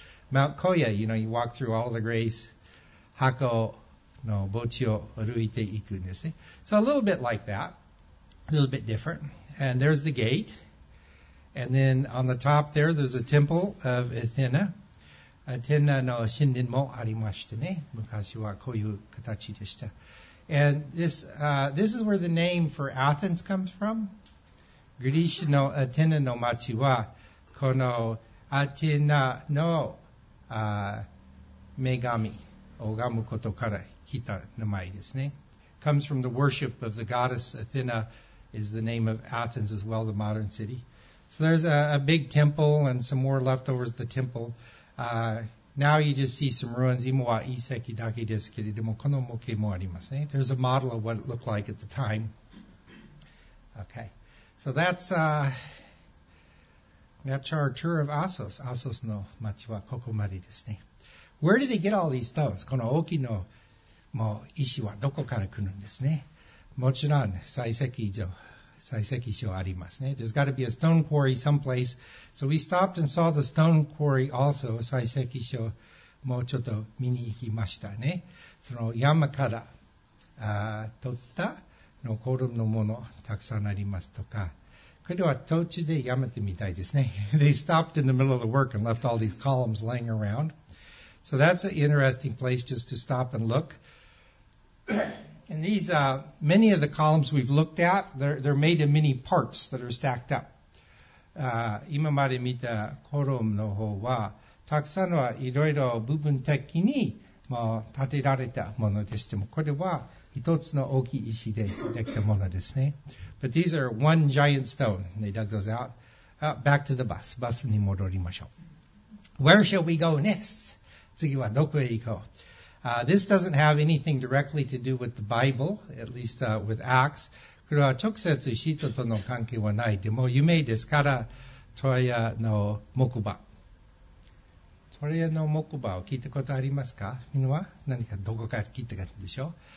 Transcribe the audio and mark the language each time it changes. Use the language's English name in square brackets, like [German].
[English] Mount Koya, you know, you walk through all the graves. [Japanese] 箱の墓地を歩いていくんですね。 [English] So a little bit like that. A little bit different. And there's the gate. And then on the top there, there's a temple of Athena. [Japanese] Athena の神殿もありましてね。昔はこういう形でした。 [English] And this is where the name for Athens comes from. [Japanese] ギリシャのアテナの町は、このアテナの女神を拝むことから来た名前ですね。 [English] Comes from the worship of the goddess Athena is the name of Athens as well, the modern city. So there's a big temple and some more leftovers of the temple. Now you just see some ruins. [Japanese] 今は遺跡だけですけれども、この模型もありますね。 [English] There's a model of what it looked like at the time. Okay. So that's our tour of Assos. [Japanese] Assos の町はここまでですね。 [English] Where did they get all these stones? [Japanese] この大きなもう石はどこから来るんですね。もちろん採石所ありますね。 [English] There's got to be a stone quarry someplace. So we stopped and saw the stone quarry also, [Japanese] 採石所もちょっと見に行きましたね。その山から取った残るのものたくさんありますとか。これは途中でやめてみたいですね。 [English] They stopped in the middle of the work and left all these columns laying around. So that's an interesting place just to stop and look. And these, many of the columns we've looked at, they're made of many parts that are stacked up. [Japanese] 今まで見たコロムの方は、たくさんはいろいろ部分的に、まあ、建てられたものでしても、これは一つの大きい石でできたものですね。 [English] But these are one giant stone. They dug those out. Back to the bus. [Japanese] バスに戻りましょう。 [English] Where shall we go next? [Japanese] 次はどこへ行こう。 [English] This doesn't have anything directly to do with the Bible, at least with Acts. [Japanese] これは直接使徒との関係はない。でも有名ですから、トロイアの木馬。トロイアの木馬を聞いたことありますか？みんな何かどこか聞いたことでしょう。